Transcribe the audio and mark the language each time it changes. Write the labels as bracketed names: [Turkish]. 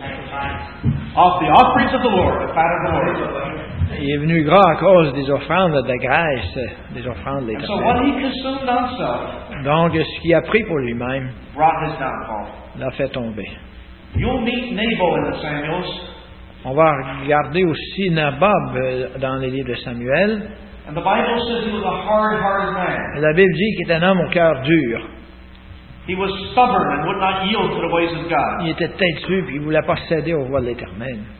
[English] Off the offerings of the Lord, the fat of the Lord. [French] Il est venu gras à cause des offrandes de graisse, des offrandes de l'Éternel. [English] So what he consumed himself, [French] donc ce qu'il a pris pour lui-même, [English] brought his downfall. [French] L'a fait tomber. [English] You'll meet Nabal in the Samuels. [French] On va regarder aussi Nabab dans les livres de Samuel. [English] And the Bible says he was a hard-hearted man. [French] Et la Bible dit qu'il était un homme au cœur dur. [English] He was stubborn and would not yield to the ways of God. [French] Il était têtu et il ne voulait pas céder aux voies de l'Éternel.